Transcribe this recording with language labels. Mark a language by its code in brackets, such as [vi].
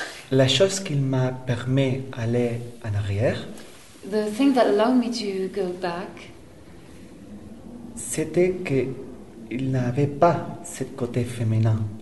[fr] La chose qui m'a permis d'aller en arrière. [en] The thing that allowed me to go back. [fr] C'était que il n'avait pas ce côté féminin.